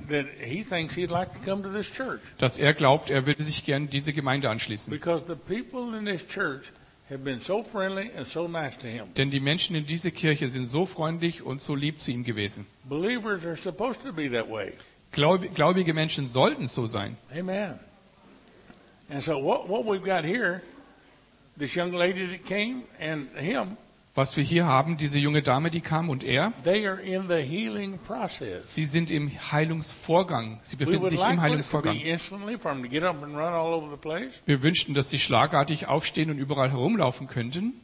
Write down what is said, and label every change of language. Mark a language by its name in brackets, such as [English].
[English] that he thinks he'd like to come to this church. [German] Dass er glaubt, er würde sich gern diese Gemeinde anschließen. [English] Because the people in this church have been so friendly and so nice to him. [German] Denn die Menschen in dieser Kirche sind so freundlich und so lieb zu ihm gewesen. [English] Believers are supposed to be that way. [German] Gläubige Menschen sollten so sein. [English] Amen. And so what we've got here, this young lady that came and him, [German] was wir hier haben, diese junge Dame, die kam und er, [English] they are in the healing process. [German] Sie sind im Heilungsvorgang. Sie befinden sich im Heilungsvorgang. [English] We would like to be instantly for them to get up and run all over the place. [German] Wir wünschten, dass sie schlagartig aufstehen und überall herumlaufen könnten.